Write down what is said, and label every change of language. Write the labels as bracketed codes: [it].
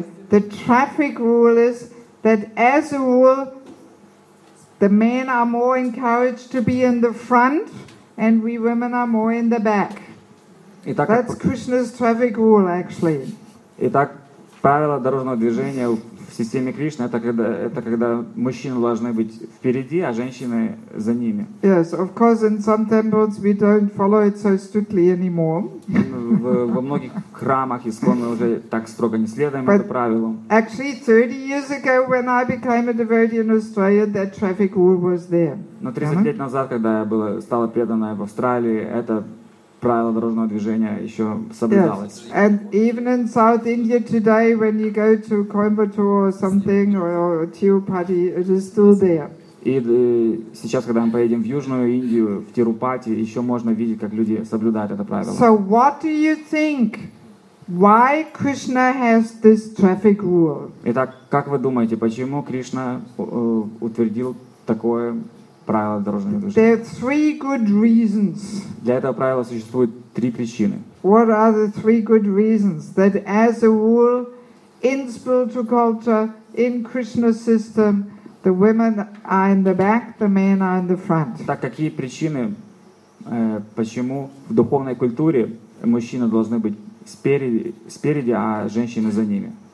[en] The traffic rule is that as a rule, the men are more encouraged to be in the front, and we women are more in the back. [ru] Итак, [en] that's Krishna's traffic rule, actually. [ru] Итак, правило дорожного движения в системе Кришны это когда мужчины должны быть впереди, а женщины за ними. [en] Yes, of course, in some temples we don't follow it so strictly anymore. [ru] Во многих храмах ИСКОН мы уже так строго не следуем это правило. [en] Actually, 30 years ago, when I became a devotee in Australia, that traffic rule was there. [ru] Но 30 лет назад, когда я стала преданной в Австралии, это правило дорожного движения еще соблюдалось. [en] Yes. And even in South India today, when you go to Coimbatore or something or Tirupati, it is still there. [ru] И сейчас, когда мы поедем в Южную Индию, в Тирупати, еще можно видеть, как люди соблюдают это правило. [en] So what do you think? Why Krishna has this traffic rule? [ru] Итак, как вы думаете, почему Кришна утвердил такое правила дорожного движения? [en] There are three good reasons. [ru] Для этого правила существует три причины. [en] What are the three good reasons that as a rule in spiritual culture in Krishna's system the women are in the back, the men are in the front? [ru] Так какие причины, почему в духовной культуре мужчины должны быть спереди, а женщины за ними?